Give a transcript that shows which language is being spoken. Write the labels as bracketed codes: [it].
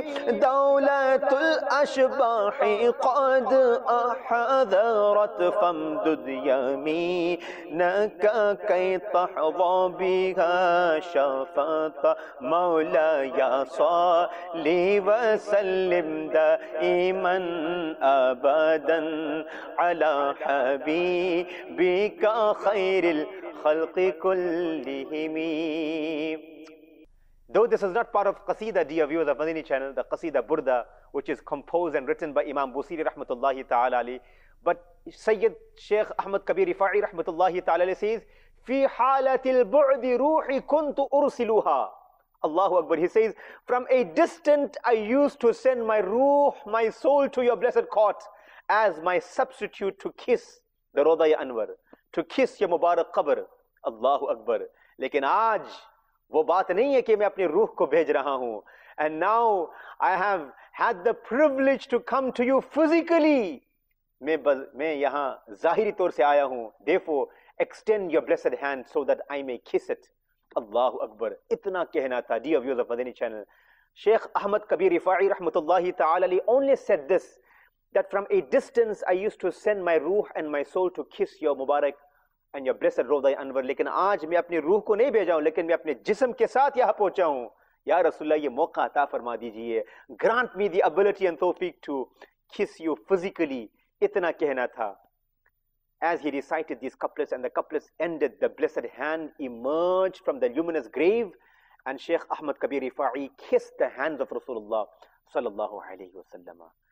[ar] دولة الأشباح قد أحذرت فامدد يمينك كي تحظى بها شفاة مولاي صلي وسلم دائما أبدا على حبيبك خير الخلق كلهم. [en] Though this is not part of Qasida, dear viewers of Madini channel, the Qasida Burda, which is composed and written by Imam Busiri Rahmatullahi Ta'ala Ali, but Sayyid Sheikh Ahmad Kabir Rifa'i Rahmatullahi Ta'ala Ali says, [ar] Fi halatil bu'di ruhi kuntu ursiluha. [en] Allahu Akbar. He says, from a distant I used to send my ruh, my soul to your blessed court as my substitute to kiss the Rawdha-e Anwar, to kiss your Mubarak Qabr. Allahu Akbar. [ur] Lekin aaj, وہ بات نہیں ہے کہ میں اپنی روح کو بھیج رہا ہوں. [en] And now I have had the privilege to come to you physically. [ur] میں یہاں ظاہری طور سے آیا ہوں. [en] Therefore, extend your blessed hand so that I may kiss it. [ur] اللہ اکبر. اتنا کہنا تھا. [en] Dear viewers of Madini channel, Sheikh Ahmad Kabir Rifa'i Rahmatullahi Ta'ala Ali only said this, that from a distance I used to send my ruh and my soul to kiss your Mubarak and your blessed Rawdha-e Anwar. [ur] لیکن آج میں اپنی روح کو نہیں بھیجا ہوں لیکن میں اپنے جسم کے ساتھ یہاں پہنچا ہوں. یا رسول اللہ یہ موقع عطا فرما دیجئے. [en] Grant me the ability and tawfiq to kiss you physically. [ur] اتنا کہنا تھا. [en] As he recited these couplets and the couplets ended, the blessed hand emerged from the luminous grave and Sheikh Ahmad Kabir Rifa'i kissed the hands of Rasulullah sallallahu alayhi wa sallam.